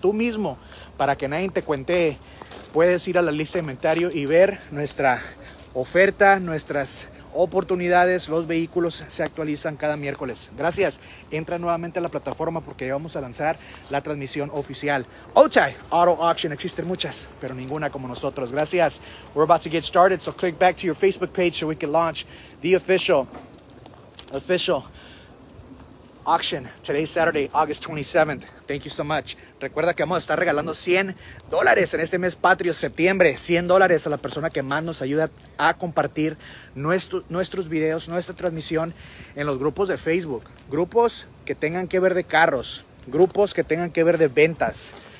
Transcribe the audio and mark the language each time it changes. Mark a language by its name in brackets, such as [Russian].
[Spanish] Tú mismo, para que nadie te cuente, puedes ir a la lista de inventario y ver nuestra oferta, nuestras oportunidades, los vehículos se actualizan cada miércoles. Gracias. Entra nuevamente a la plataforma porque ya vamos a lanzar la transmisión oficial. Otay Auto Auction. Existen muchas, pero ninguna como nosotros. Gracias. [English] We're about to get started, so click back to your Facebook page so we can launch the official auction today, Saturday, August 27th. Thank you so much. [Spanish] Recuerda que vamos a estar regalando $100 en este mes patrio, septiembre. $100 a la persona que más nos ayuda a compartir nuestros videos, nuestra transmisión en los grupos de Facebook. Grupos que tengan que ver de carros. Grupos que tengan que ver de ventas.